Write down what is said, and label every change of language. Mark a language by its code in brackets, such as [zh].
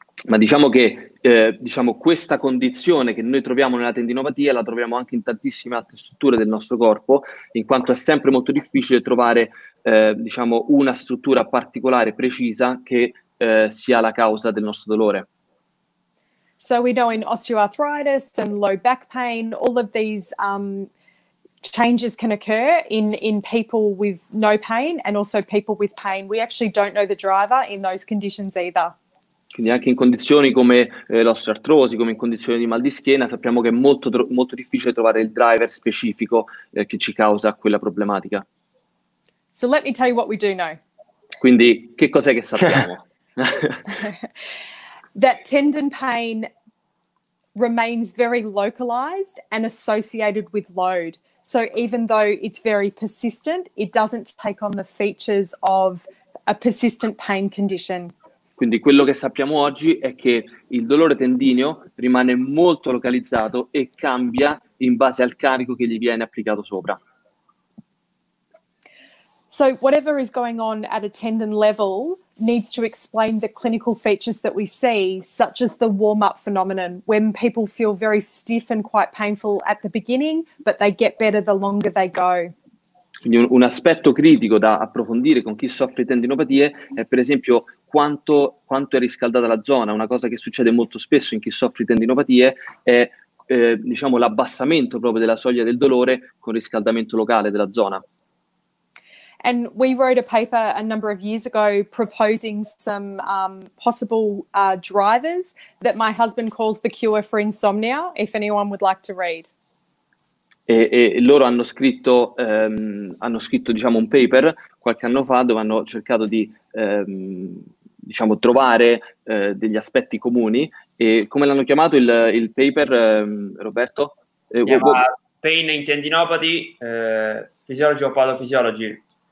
[it] Ma diciamo che diciamo questa condizione che noi troviamo nella tendinopatia la troviamo anche in tantissime altre strutture del nostro corpo, in quanto è sempre molto difficile trovare diciamo una struttura particolare precisa che sia la causa del nostro dolore. [en] So we know in osteoarthritis and low back pain, all of these changes can occur in people with no pain and also people with pain. We actually don't know the driver in those conditions either. [it] Quindi anche in condizioni come l'osteoartrosi, come in condizioni di mal di schiena, sappiamo che è molto, molto difficile trovare il driver specifico che ci causa quella problematica. [en] So let me tell you what we do know. [it] Quindi che cos'è che sappiamo? [en] That tendon pain remains very localized and associated with load. So even though it's very persistent, it doesn't take on the features of a persistent pain condition. [it] Quindi quello che sappiamo oggi è che il dolore tendineo rimane molto localizzato e cambia in base al carico che gli viene applicato sopra. [en] So whatever is going on at a tendon level needs to explain the clinical features that we see, such as the warm-up phenomenon, when people feel very stiff and quite painful at the beginning, but they get better the longer they go. [it] Quindi un aspetto critico da approfondire con chi soffre tendinopatie è per esempio quanto è riscaldata la zona. Una cosa che succede molto spesso in chi soffre tendinopatie è diciamo l'abbassamento proprio della soglia del dolore con riscaldamento locale della zona. [en] And we wrote a paper a number of years ago proposing some possible drivers that my husband calls the cure for insomnia, if anyone would like to read. [it] E loro hanno scritto diciamo un paper qualche anno fa dove hanno cercato di diciamo trovare degli aspetti comuni. E come l'hanno chiamato il paper, Roberto? [en] Pain in tendinopathy, physiology or pathophysiology.